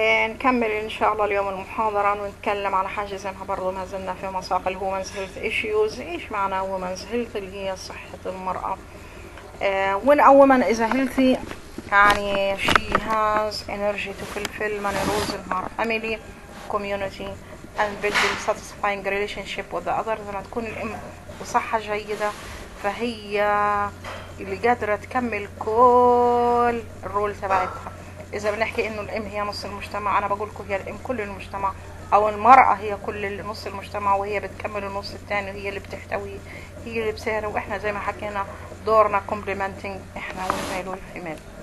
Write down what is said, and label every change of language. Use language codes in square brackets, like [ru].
[ar] نكمل إن شاء الله اليوم المحاضرة ونتكلم على حاجزينها برضو، ما زلنا في مساق الـ Women's Health Issues. إيش معنى Women's Health؟ اللي هي صحة المرأة. [en] When a woman is healthy يعني she has energy to fulfill many roles in her family, community and building satisfying relationship with the others. [ar] لما تكون الأم بصحة جيدة فهي اللي قادرة تكمل كل الرول تبعتها. إذا بنحكي إنه الأم هي نص المجتمع، أنا بقولكم هي الأم كل المجتمع، أو المرأة هي كل نص المجتمع وهي بتكمل النص الثاني، وهي اللي بتحتوي، هي اللي بتسهر، وإحنا زي ما حكينا دورنا complementing إحنا والميل والفيميل.